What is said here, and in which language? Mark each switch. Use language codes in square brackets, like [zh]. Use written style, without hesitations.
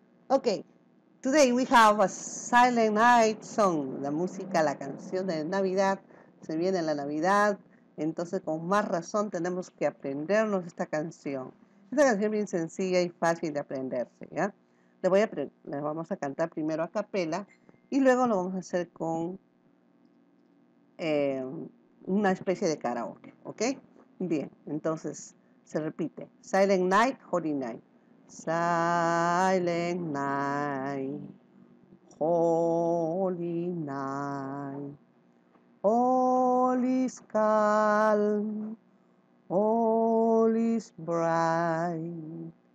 [en] Okay, today we have a Silent Night song. [es] La música, la canción de Navidad. Se viene la Navidad. Entonces, con más razón, tenemos que aprendernos esta canción. Esta canción es bien sencilla y fácil de aprenderse, ¿ya? Le vamos a cantar primero a capela y luego lo vamos a hacer con una especie de karaoke, ¿ok? Bien, entonces se repite. [en] Silent night, holy night. Silent night, holy night. All is calm, all is bright.